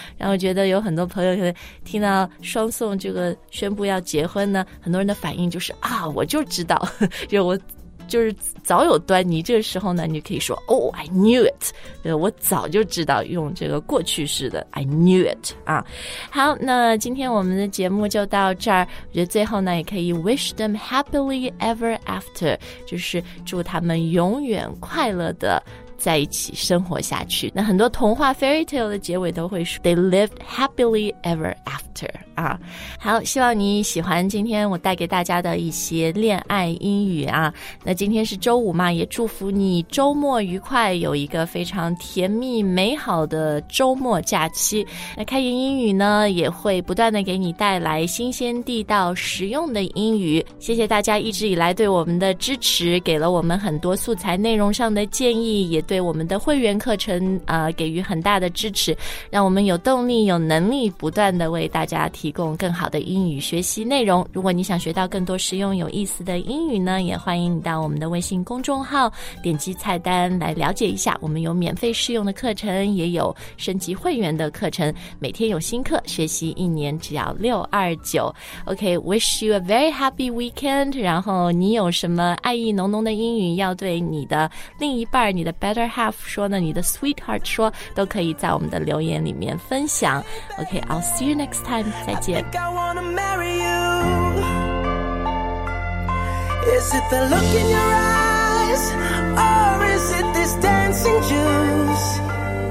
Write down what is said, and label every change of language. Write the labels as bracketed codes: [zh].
[zh] 然后我觉得有很多朋友听到双宋这个宣布要结婚呢，很多人的反应就是啊，我就知道，就我就是早有端倪，这个时候呢你可以说 [en] Oh, I knew it, [zh] 我早就知道，用这个过去式的 I knew it 啊。好，那今天我们的节目就到这儿，我觉得最后呢也可以 [en] wish them happily ever after, [zh] 就是祝他们永远快乐的在一起生活下去。那很多童话 fairy tale 的结尾都会说 [en] They lived happily ever after [zh] 啊。好，希望你喜欢今天我带给大家的一些恋爱英语啊。那今天是周五嘛，也祝福你周末愉快，有一个非常甜蜜美好的周末假期。那开言英语呢也会不断的给你带来新鲜地道实用的英语，谢谢大家一直以来对我们的支持，给了我们很多素材内容上的建议，也对我们的会员课程给予很大的支持，让我们有动力有能力不断的为大家提供更好的英语学习内容。如果你想学到更多实用有意思的英语呢，也欢迎你到我们的微信公众号点击菜单来了解一下，我们有免费试用的课程，也有升级会员的课程，每天有新课，学习一年只要629。 [en] OK, wish you a very happy weekend, [zh] 然后你有什么爱意浓浓的英语要对你的另一半，你的Better half 说呢，你的 sweetheart 说，都可以在我们的留言里面分享。 [en] OK, I'll see you next time. [zh] 再见。 [en] I think I wanna marry you. Is it the look in your eyes, or is it this dancing juice?